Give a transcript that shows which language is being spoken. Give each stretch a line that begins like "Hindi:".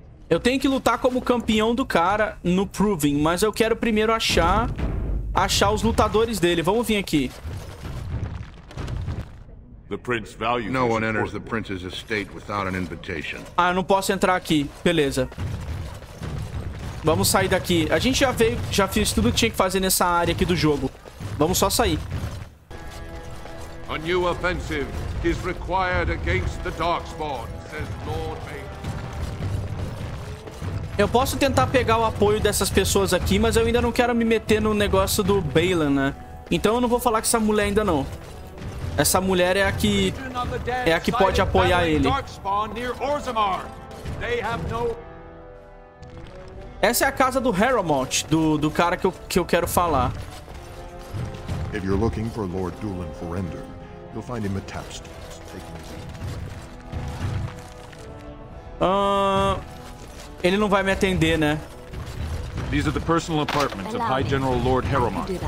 Portuguese: Eu tenho que lutar como campeão do cara no Proving, mas eu quero primeiro achar os lutadores dele. Vamos vir aqui.
English: No one enters the prince's estate without an invitation.
Portuguese: Ah, eu não posso entrar aqui. Beleza. Vamos sair daqui. A gente já veio, já fiz tudo que tinha que fazer nessa área aqui do jogo. Vamos só sair.
English: A new offensive is required against the Darkspawn, says Lord Vader.
Portuguese: Eu posso tentar pegar o apoio dessas pessoas aqui, mas eu ainda não quero me meter no negócio do Balan, né? Então eu não vou falar com essa mulher ainda não. Essa mulher é a que... é a que pode apoiar ele. Essa é a casa do Harrowmont, do cara que eu quero falar. Se você está procurando Lord Doolin Forender, você vai encontrar ele em Tapstones. Ele não vai me atender, né?
English: These are the personal apartments of High General Lord Harrowmont.